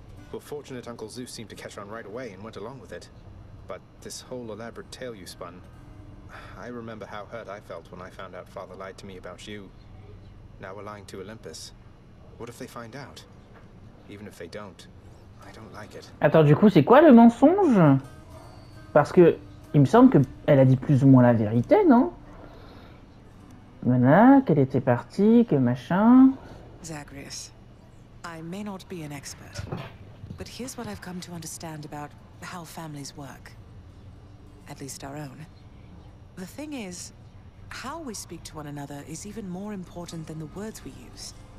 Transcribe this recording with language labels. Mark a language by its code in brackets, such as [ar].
[en] Well, fortunate Uncle Zeus seemed to catch on right away and went along with it. But this whole elaborate tale you spun, I remember how hurt I felt when I found out Father lied to me about you. Now we're lying to Olympus. What if they find out? Even if they don't, I don't like it. [fr] Attends, du coup, c'est quoi le mensonge? Parce que il me semble qu'elle a dit plus ou moins la vérité, non? Voilà, qu'elle était partie, que machin. [en] Zagreus, I may not be an expert, but here's what I've come to understand about how families work. At least our own. The thing is, how we speak to one another is even more important than the words we use.